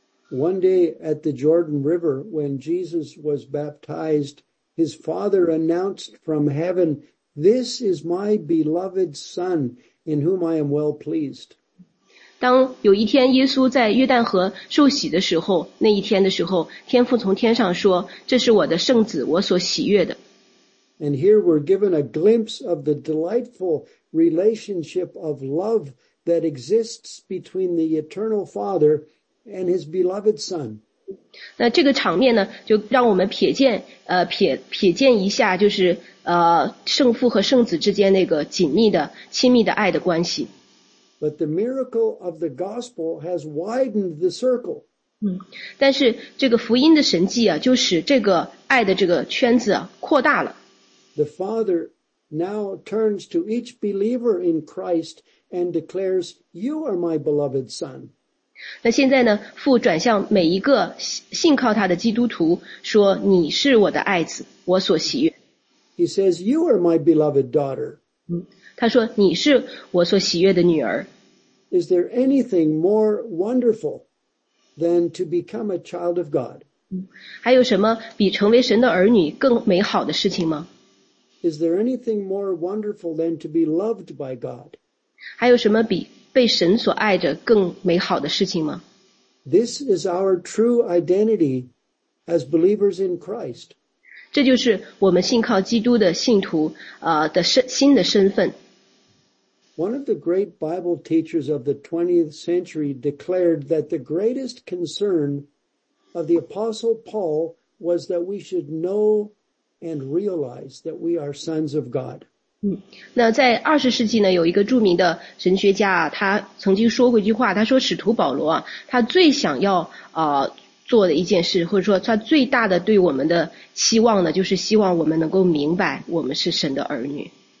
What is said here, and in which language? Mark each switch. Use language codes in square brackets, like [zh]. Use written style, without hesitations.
[en] One day at the Jordan River, when Jesus was baptized, his father announced from heaven, "This is my beloved son, in whom I am well pleased." [zh] 当有一天耶稣在约旦河受洗的时候，那一天的时候，天父从天上说，这是我的圣子，我所喜悦的。 [en] And here we're given a glimpse of the delightful relationship of love that exists between the eternal Father and his beloved son. [zh] 那这个场面呢就让我们瞥见一下就是圣父和圣子之间那个紧密的亲密的爱的关系。 [en] But the miracle of the gospel has widened the circle. [zh] 但是这个福音的神迹啊就使这个爱的这个圈子扩大了。 [en] The father now turns to each believer in Christ and declares, "You are my beloved son." [zh] 那现在呢父转向每一个信靠他的基督徒说你是我的爱子我所喜悦。 [en] He says, "You are my beloved daughter." [zh] 他说你是我所喜悦的女儿。 [en] Is there anything more wonderful than to become a child of God? [zh] 还有什么比成为神的儿女更美好的事情吗？ [en] Is there anything more wonderful than to be loved by God? [zh] 还有什么比被神所爱着更美好的事情吗？ [en] This is our true identity as believers in Christ. [zh] 这就是我们信靠基督的信徒的新的身份。 [en] One of the great Bible teachers of the 20th century declared that the greatest concern of the Apostle Paul was that we should know and realize that we are sons of God. [zh] 那在二十世纪呢有一个著名的神学家他曾经说过一句话他说使徒保罗他最想要做的一件事或者说他最大的对我们的希望呢就是希望我们能够明白我们是神的儿女。